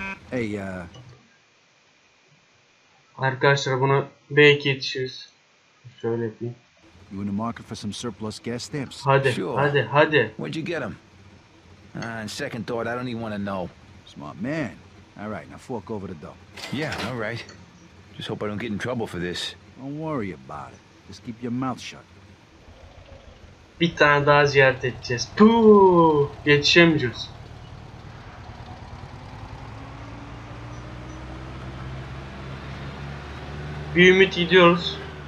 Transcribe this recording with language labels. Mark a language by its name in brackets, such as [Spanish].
[Turkish] Hey ya. Arkadaşlar buna belki yetişiriz. Şöyle yapayım. [English] You in the market for some surplus gas stamps? [Turkish] Hadi, [English] sure. [Turkish] Hadi, hadi. [English] Where'd you get them? On second thought, I don't even want to know. Smart man. All right, now fork over the dough. Yeah, all right. Just hope I don't get in trouble for this. Don't worry about it. Just keep your mouth shut. [Turkish] Bir tane daha ziyaret edeceğiz. Puh, geçemeyeceğiz. Bir ümit gidiyoruz.